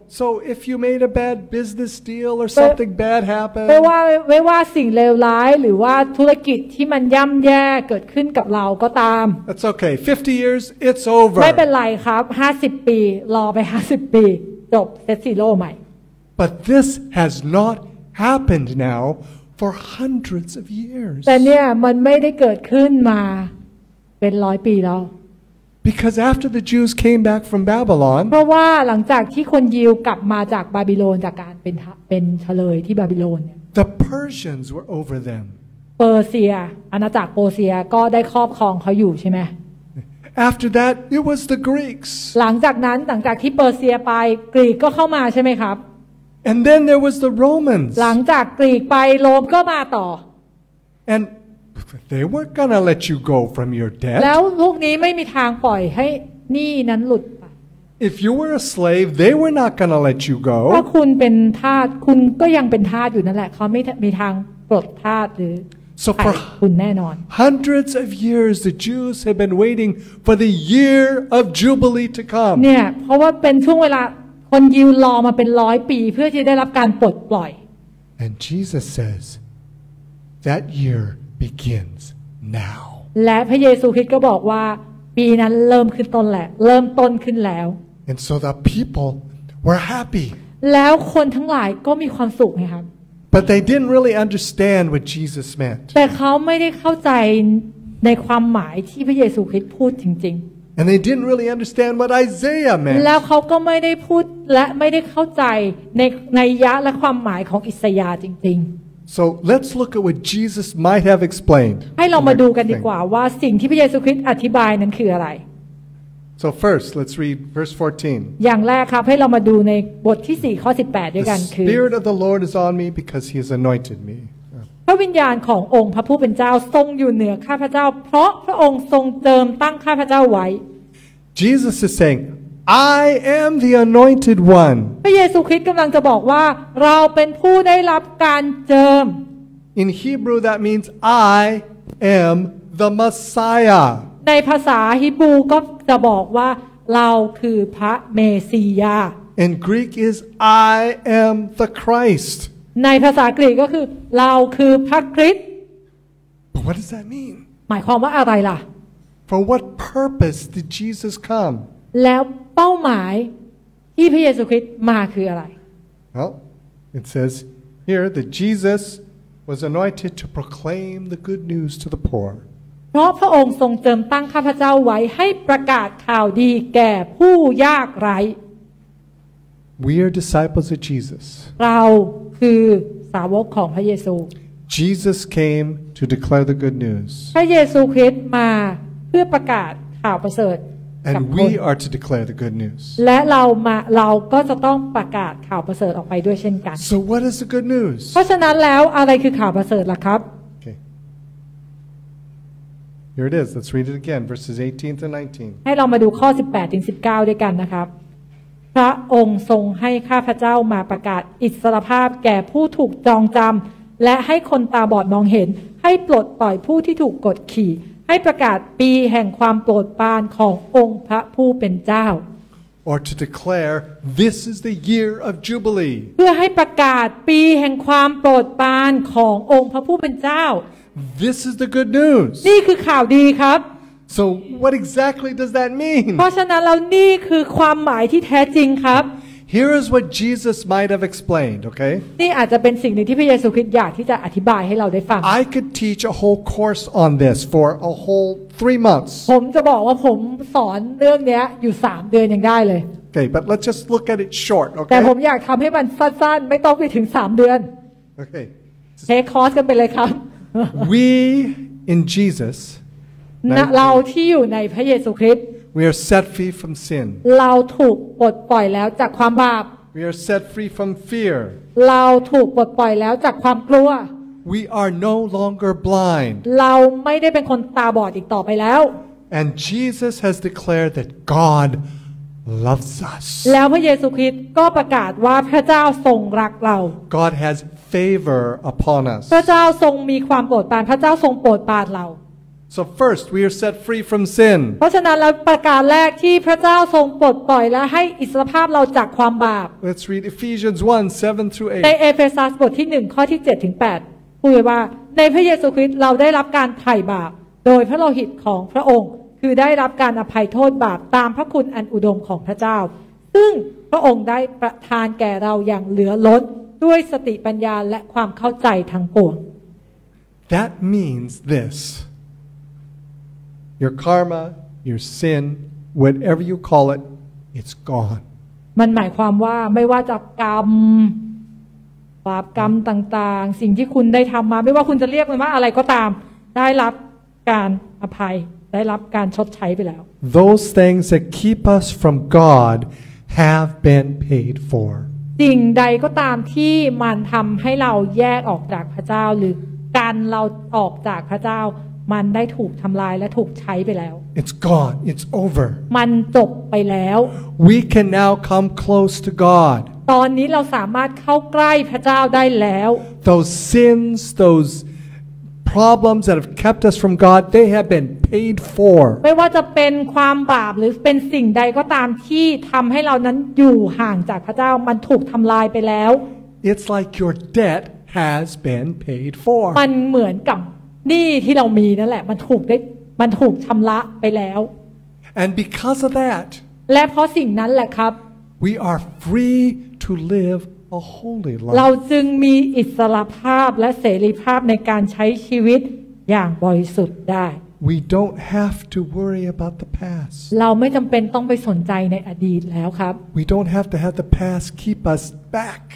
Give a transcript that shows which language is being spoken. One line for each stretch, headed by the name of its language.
English: So if you made a bad business deal or something bad happened.
Thai: ไม่ว่าสิ่งเลวร้ายหรือว่าธุรกิจที่มันย่ำแย่เกิดขึ้นกับเราก็ตาม
English: That's okay. 50 years, it's over.
Thai: ไม่เป็นไรครับ50ปีรอไป50ปีจบเซตซีโร่ใหม่
English: But this has not happened now for hundreds of years.
Thai: แต่เนี่ยมันไม่ได้เกิดขึ้นมาเป็นร้อยปีแล้ว
English: Because after the Jews came back from Babylon,
Thai: เพราะว่าหลังจากที่คนยิวกลับมาจากบาบิโลนจากการเป็นเชลยที่บาบิโลน
English: the Persians were over them.
Thai: เปอร์เซียอาณาจักรเปอร์เซียก็ได้ครอบครองเขาอยู่ใช่ไหม
English: After that, it was the Greeks.
Thai: หลังจากนั้นหลังจากที่เปอร์เซียไปกรีกก็เข้ามาใช่ไหมครับ
English: And then there was the Romans.
Thai: หลังจากกรีกไปโรมก็มาต่อ
English: AndThey weren't gonna let you go from your debt.
Thai: แล้วพวกนี้ไม่มีทางปล่อยให้หนี้นั้นหลุดไป
English: If you were a slave, they were not gonna let you go.
Thai: ถ้าคุณเป็นทาสคุณก็ยังเป็นทาสอยู่นั่นแหละเขาไม่มีทางปลดทาสหรือ
English: So for
Thai: คุณแน่นอน
English: Hundreds of years, the Jews have been waiting for the year of Jubilee to come.
Thai: เนี่ยเพราะว่าเป็นช่วงเวลาคนยิวรอมาเป็นร้อยปีเพื่อที่ได้รับการปลดปล่อย
English: And Jesus says that year. Begins now.
Thai: และพระเยซูคริสต์ก็บอกว่าปีนั้นเริ่มขึ้นต้นแล้วเริ่มต้นขึ้นแล้ว
English: And so the people were happy.
Thai: แล้วคนทั้งหลายก็มีความสุขไงครับ
English: But they didn't really understand what Jesus meant.
Thai: แต่เขาไม่ได้เข้าใจในความหมายที่พระเยซูคริสต์พูดจริง
English: ๆ And they didn't really understand what Isaiah meant.
Thai: แล้วเขาก็ไม่ได้พูดและไม่ได้เข้าใจในนัยยะและความหมายของอิสยาห์จริงๆ
English: So let's look at what Jesus might have explained.
Thai: ให้เรามาดูกันดีกว่าว่าสิ่งที่พระเยซูคริสต์อธิบายนั้นคืออะไร
English: So first, let's read verse 14.
Thai: อย่างแรกครับให้เรามาดูในบทที่4ข้อ18ด้วยกันคือ
English: The Spirit of the Lord is on me because he has anointed me.
Thai: พระวิญญาณขององค์พระผู้เป็นเจ้าทรงอยู่เหนือข้าพเจ้าเพราะพระองค์ทรงเติมตั้งข้าพเจ้าไว้
English: Jesus is saying, I am the anointed one.
Thai: พระเยซูคริสต์กำลังจะบอกว่าเราเป็นผู้ได้รับการเจิม
English: In Hebrew that means I am the Messiah
Thai: ในภาษาฮีบรูก็จะบอกว่าเราคือพระเมสสิยา
English: In Greek is I am the Christ
Thai: ในภาษากรีกก็คือเราคือพระคริสต์
English: But what does that mean
Thai: หมายความว่าอะไรล่ะ
English: For what purpose did Jesus come
Thai: แล้วเป้าหมายที่พระเยซูคริสต์มาคืออะไร
English: Well, it says here that Jesus was anointed to proclaim the good news to the poor.
Thai: เพราะพระองค์ทรงเติมตั้งข้าพเจ้าไว้ให้ประกาศข่าวดีแก่ผู้ยากไร้
English: We are disciples of Jesus.
Thai: เราคือสาวกของพระเยซู
English: Jesus came to declare the good news.
Thai: พระเยซูคริสต์มาเพื่อประกาศข่าวประเสริฐ
English: And we are to declare the good news.
Thai: และเราก็จะต้องประกาศข่าวประเสริฐออกไปด้วยเช่นกัน
English: So what is the good news?
Thai: เพราะฉะนั้นแล้วอะไรคือข่าวประเสริฐล่ะครับ
English: Okay. Here it is. Let's read it again. Verses 18 to 19.
Thai: ให้เรามาดูข้อ18ถึง19ด้วยกันนะครับพระองค์ทรงให้ข้าพเจ้ามาประกาศอิสรภาพแก่ผู้ถูกจองจำและให้คนตาบอดมองเห็นให้ปลดปล่อยผู้ที่ถูกกดขี่ให้ประกาศปีแห่งความโปรดปรานขององค์พระผู้เป็นเจ้า
English: Or to declare this is the year of jubilee
Thai: เพื่อให้ประกาศปีแห่งความโปรดปรานขององค์พระผู้เป็นเจ้า
English: This is the good news
Thai: นี่คือข่าวดีครับ
English: So what exactly does that mean
Thai: เพราะฉะนั้นแล้วนี่คือความหมายที่แท้จริงครับ
English: Here is what Jesus might have explained, okay?
Thai: นี่อาจจะเป็นสิ่งหนึ่งที่พระเยซูคริสต์อยากที่จะอธิบายให้เราได้ฟัง
English: I could teach a whole course on this for a whole 3 months.
Thai: ผมจะบอกว่าผมสอนเรื่องนี้อยู่3เดือนยังได้เลย
English: Okay, but let's just look at it short, okay?
Thai: แต่ผมอยากทำให้มันสั้นๆไม่ต้องไปถึง3เดือน
English: Okay. Take course
Thai: กันไปเลยครับ
English: We in Jesus
Thai: เราที่อยู่ในพระเยซูคริสต์
English: We are set free from sin.
Thai: เราถูกปลดปล่อยแล้วจากความบาป
English: We are set free from fear.
Thai: เราถูกปลดปล่อยแล้วจากความกลัว
English: We are no longer blind.
Thai: เราไม่ได้เป็นคนตาบอดอีกต่อไปแล้ว
English: And Jesus has declared that God loves us.
Thai: แล้วพระเยซูคริสต์ก็ประกาศว่าพระเจ้าทรงรักเรา
English: God has favor upon us.
Thai: พระเจ้าทรงมีความโปรดปรานพระเจ้าทรงโปรดปรานเรา
English: So first, we are set free from sin.
Thai: เพราะฉะนั้นแล้วประการแรกที่พระเจ้าทรงปลดปล่อยและให้อิสรภาพเราจากความบาป
English: Let's read Ephesians 1:7-8.
Thai: ในเอเฟซัสบทที่1ข้อที่7ถึง8พูดว่าในพระเยซูคริสต์เราได้รับการไถ่บาปโดยพระโลหิตของพระองค์คือได้รับการอภัยโทษบาปตามพระคุณอันอุดมของพระเจ้าซึ่งพระองค์ได้ประทานแก่เราอย่างเหลือล้นด้วยสติปัญญาและความเข้าใจทั้งปวง
English: That means thisYour karma, your sin, whatever you call it, it's gone.
Thai: มันหมายความว่าไม่ว่าจะกรรมบาปกรรมต่างๆสิ่งที่คุณได้ทำมาไม่ว่าคุณจะเรียกมันว่าอะไรก็ตามได้รับการอภัยได้รับการชดใช้ไปแล้ว
English: Those things that keep us from God have been paid for.
Thai: สิ่งใดก็ตามที่มันทำให้เราแยกออกจากพระเจ้าหรือกันเราออกจากพระเจ้ามันได้ถูกทำลายและถูกใช้ไปแล้ว
English: It's gone. It's over.
Thai: มันจบไปแล้ว
English: We can now come close to God.
Thai: ตอนนี้เราสามารถเข้าใกล้พระเจ้าได้แล้ว
English: Those sins, those problems that have kept us from God, they have been paid for.
Thai: ไม่ว่าจะเป็นความบาปหรือเป็นสิ่งใดก็ตามที่ทำให้เรานั้นอยู่ห่างจากพระเจ้ามันถูกทำลายไปแล้ว
English: It's like your debt has been paid for.
Thai: มันเหมือนกับนี่ที่เรามีนั่นแหละมันถูกชำระไปแล้ว
English: And because of that
Thai: และเพราะสิ่งนั้นแหละครับ
English: We are free to live a holy life
Thai: เราจึงมีอิสรภาพและเสรีภาพในการใช้ชีวิตอย่างบริสุทธิ์ได้
English: We don't have to worry about the past
Thai: เราไม่จำเป็นต้องไปสนใจในอดีตแล้วครับ
English: We don't have to have the past keep us back